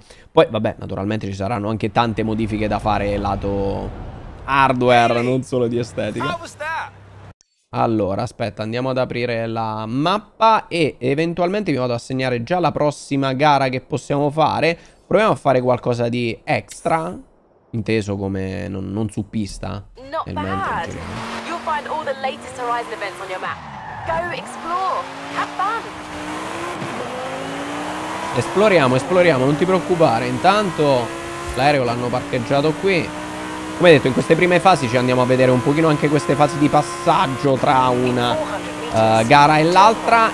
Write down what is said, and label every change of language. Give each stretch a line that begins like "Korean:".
Italian: Poi vabbè, naturalmente ci saranno anche tante modifiche da fare lato hardware, hey, non solo di estetica. Allora, aspetta, andiamo ad aprire la mappa e eventualmente vi vado a segnare già la prossima gara che possiamo fare. Proviamo a fare qualcosa di extra, inteso come non su pista.
English: Not bad. You'll find all the latest Horizon events on your map. Go explore. Have fun.
Italian: Esploriamo, non ti preoccupare. Intanto l'aereo l'hanno parcheggiato qui. Come detto, in queste prime fasi ci andiamo a vedere un pochino anche queste fasi di passaggio tra una gara e l'altra.